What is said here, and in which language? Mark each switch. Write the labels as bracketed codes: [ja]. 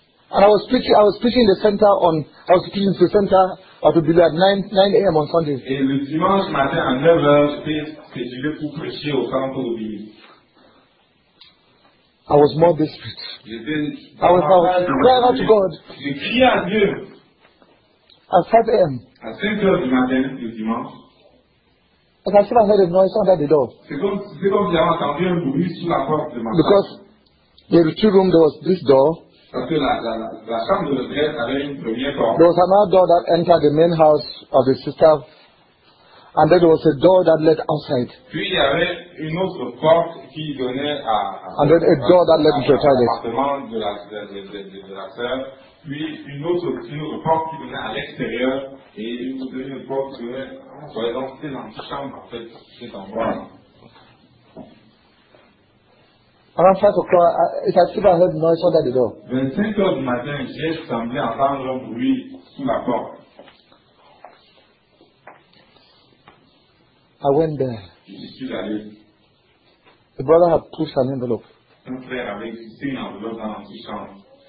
[en] And I was preaching in the center on I was preaching at 9 a.m. on Sunday. [fr] Et le dimanche matin à 9h, c'est le pour prêcher au centre de Bible. [en] I was more desperate. I was crying out to God. [fr] Je crie à Dieu. [en] At 5 a.m. [fr] À 5h du matin, le dimanche. [en] But I still heard a noise under the door. Because in the two room there was this door. There was another door that entered the main house of the sister. And then there was a door that led outside. And then a door that led into a toilet. [fr] Puis une autre porte qui venait à l'extérieur et une deuxième porte qui venait pour entrer dans la chambre en fait, cet endroit. [en] Around 5 o'clock, I had still heard noise under the door. [fr] 25 heures du matin, j'ai semblé entendre un bruit sous la porte. [en] I went there. [fr] Je suis allé. [en] The brother had pushed an envelope. [fr] Un frère avait glissé une enveloppe dans l'antichambre.